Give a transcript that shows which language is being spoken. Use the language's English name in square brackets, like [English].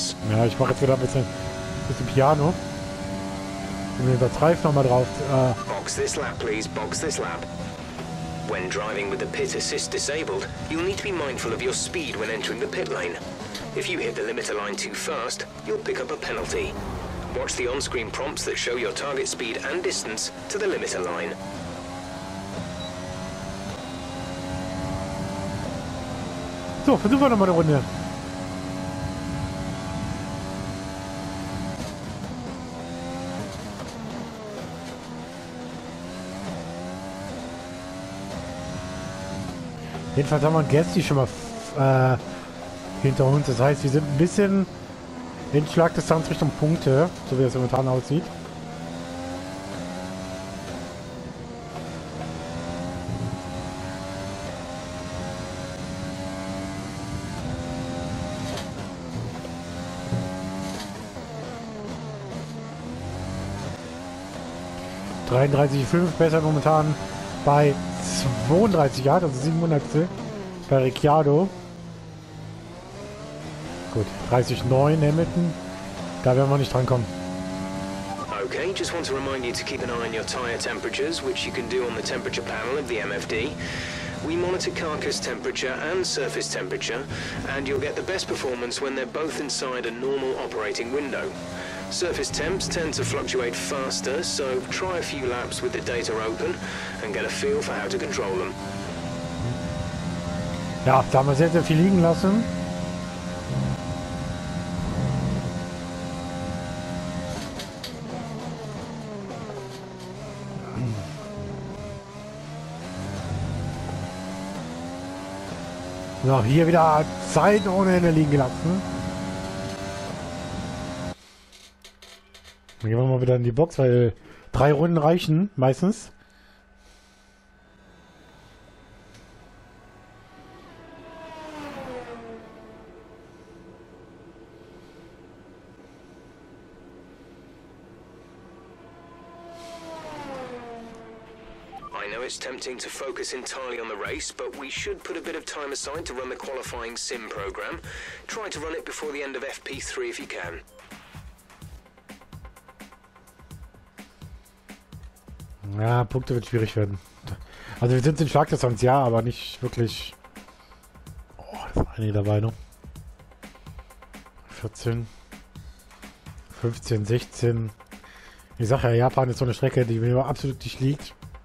[German] Ja, ich mache jetzt wieder ein bisschen Piano. Um den Reifen nochmal drauf. [English] Box this lap, please. Box this lap. When driving with the pit assist disabled, you'll need to be mindful of your speed when entering the pit lane. If you hit the limiter line too fast, you'll pick up a penalty. Watch the on-screen prompts that show your target speed and distance to the limiter line. [German] So, versuchen wir nochmal eine Runde. Jedenfalls haben wir Gasly schon mal hinter uns. Das heißt, wir sind ein bisschen in Schlagdistanz Richtung Punkte, so wie es momentan aussieht. Besser momentan bei 32 Yards, also 700. Bei Ricciardo. Gut, 30,9 Hamilton. Da werden wir nicht drankommen. [English] Okay, just want to remind you to keep an eye on your tire temperatures, which you can do on the temperature panel of the MFD. We monitor carcass temperature and surface temperature, and you'll get the best performance when they're both inside a normal operating window. Surface temps tend to fluctuate faster, so try a few laps with the data open and get a feel for how to control them. [German] Ja, da haben wir sehr, sehr viel liegen lassen. So, hier wieder Zeit ohne Ende liegen gelassen. Dann gehen wir mal wieder in die Box, weil drei Runden reichen meistens. [English] Tempting to focus entirely on the race, but we should put a bit of time aside to run the qualifying sim program. Try to run it before the end of FP3 if you can. [German] Ja, Punkte wird schwierig werden. Also wir sind in Schlagdistanz, ja, aber nicht wirklich. Oh, das war einige dabei, ne? 14, 15, 16. Ich sag ja, Japan ist so eine Strecke, die mir absolut nicht liegt.